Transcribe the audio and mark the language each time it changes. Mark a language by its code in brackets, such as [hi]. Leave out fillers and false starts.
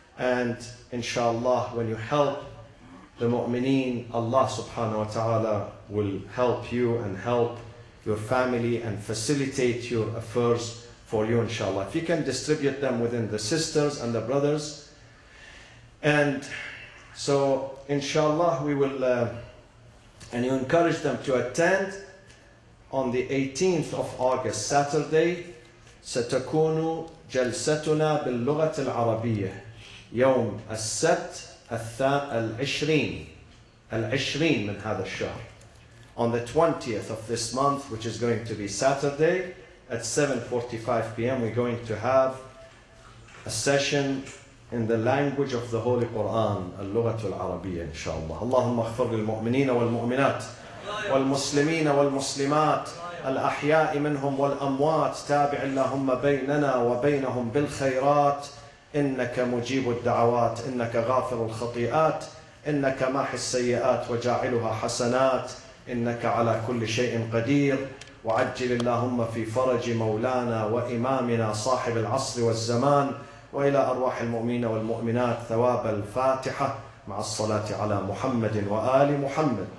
[en] And inshallah, when you help the mu'mineen, Allah subhanahu wa ta'ala will help you and help your family and facilitate your affairs for you, inshallah. If you can distribute them within the sisters and the brothers. And so, inshallah, we will, and you encourage them to attend on the 18th of August, Saturday. [ar] ستكون جلستنا باللغة العربية يوم السبت العشرين من هذا الشهر. [en] On the 20th of this month, which is going to be Saturday, at 7:45 p.m. we're going to have a session in the language of the Holy Quran, [ar] اللغة العربية إن شاء الله. اللهم اغفر للمؤمنين والمؤمنات والمسلمين والمسلمات الأحياء منهم والأموات تابع اللهم بيننا وبينهم بالخيرات إنك مجيب الدعوات إنك غافر الخطيئات إنك ماحي السيئات وجاعلها حسنات إنك على كل شيء قدير وعجل اللهم في فرج مولانا وإمامنا صاحب العصر والزمان وإلى أرواح المؤمنين والمؤمنات ثواب الفاتحة مع الصلاة على محمد وآل محمد.